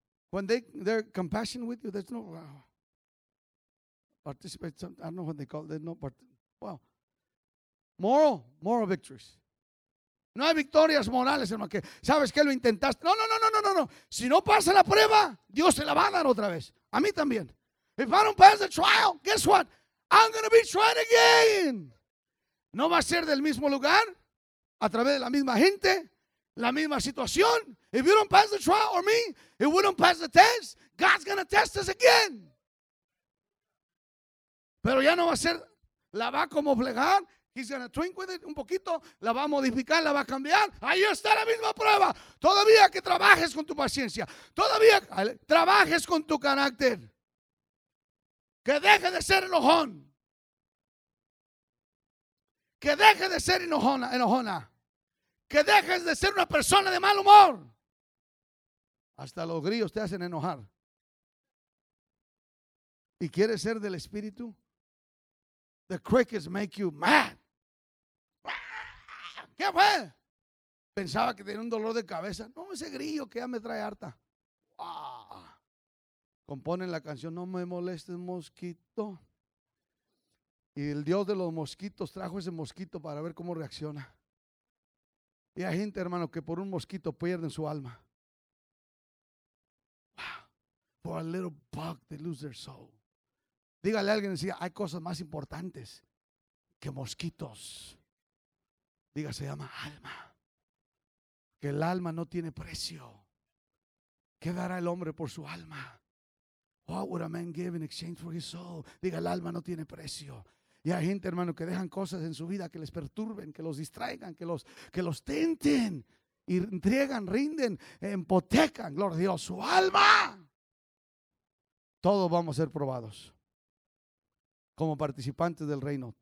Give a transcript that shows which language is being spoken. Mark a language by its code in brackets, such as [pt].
[en] When they're compassion with you, there's no participate. I don't know what they call it. There's no part. Well, moral victories. [es] No hay victorias morales, hermano, que sabes que lo intentaste. No. Si no pasa la prueba, Dios se la va a dar otra vez. A mí también. [en] If I don't pass the trial, guess what? I'm going to be tried again. [es] No va a ser del mismo lugar, a través de la misma gente, la misma situación. [en] If you don't pass the trial or me, if we don't pass the test, God's going to test us again. [es] Pero ya no va a ser, la va a como plegar. [en] He's going to twink with it [es] un poquito, la va a modificar, la va a cambiar. Ahí está la misma prueba. Todavía que trabajes con tu paciencia. Todavía trabajes con tu carácter. Que deje de ser enojón. Que deje de ser enojona. Que dejes de ser una persona de mal humor. Hasta los grillos te hacen enojar. ¿Y quieres ser del espíritu? [en] The crickets make you mad. [es] ¿Qué fue? Pensaba que tenía un dolor de cabeza. No, ese grillo que ya me trae harta. Ah. Componen la canción, no me molestes, mosquito. Y el Dios de los mosquitos trajo ese mosquito para ver cómo reacciona. Y hay gente, hermano, que por un mosquito pierden su alma. [en] For a little bug, they lose their soul. [es] Dígale a alguien, decía, hay cosas más importantes que mosquitos. Diga, se llama alma. Que el alma no tiene precio. ¿Qué dará el hombre por su alma? [en] What would a man give in exchange for his soul? [es] Diga, el alma no tiene precio. Y hay gente, hermano, que dejan cosas en su vida que les perturben, que los distraigan, que los tenten. Y entregan, rinden, empotecan, gloria a Dios, su alma. Todos vamos a ser probados como participantes del reino.